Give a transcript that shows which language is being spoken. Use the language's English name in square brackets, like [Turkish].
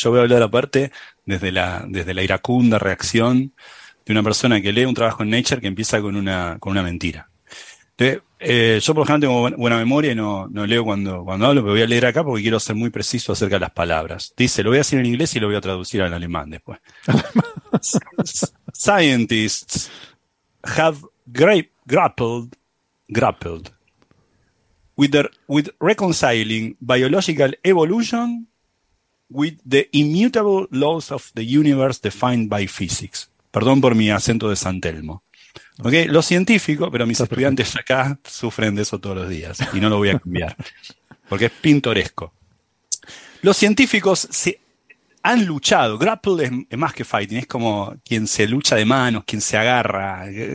[Spanish] Yo voy a hablar aparte desde la iracunda reacción de una persona que lee un trabajo en Nature que empieza con una mentira. Yo por lo general tengo buena memoria y no leo cuando hablo, pero voy a leer acá porque quiero ser muy preciso acerca de las palabras. Dice, lo voy a decir en inglés y lo voy a traducir al alemán después. [English] Scientists have grappled with reconciling biological evolution with the immutable laws of the universe defined by physics. [Spanish] Perdón por mi acento de San Telmo. Okay, lo científico, pero mis estudiantes acá sufren de eso todos los días y no lo voy a cambiar porque es pintoresco. Los científicos se han luchado. Grapple es más que fighting, es como quien se lucha de manos, quien se agarra.